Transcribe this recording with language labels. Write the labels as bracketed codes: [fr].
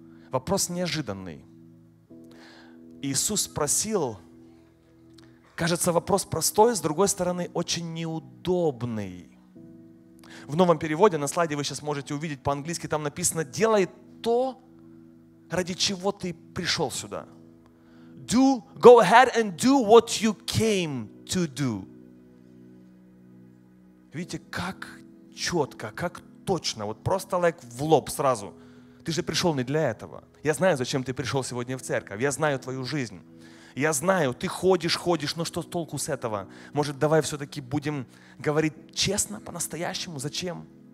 [ru] Вопрос неожиданный. Иисус спросил Кажется, вопрос простой, с другой стороны, очень неудобный. В новом переводе на слайде вы сейчас можете увидеть по-английски, там написано «делай то, ради чего ты пришел сюда». [en] Do, go ahead and do what you came to do. [ru] Видите, как четко, как точно, вот просто like в лоб сразу. Ты же пришел не для этого. Я знаю, зачем ты пришел сегодня в церковь. Я знаю твою жизнь. Я знаю, ты ходишь, но что толку с этого? Может, давай все-таки будем говорить честно, по-настоящему, зачем?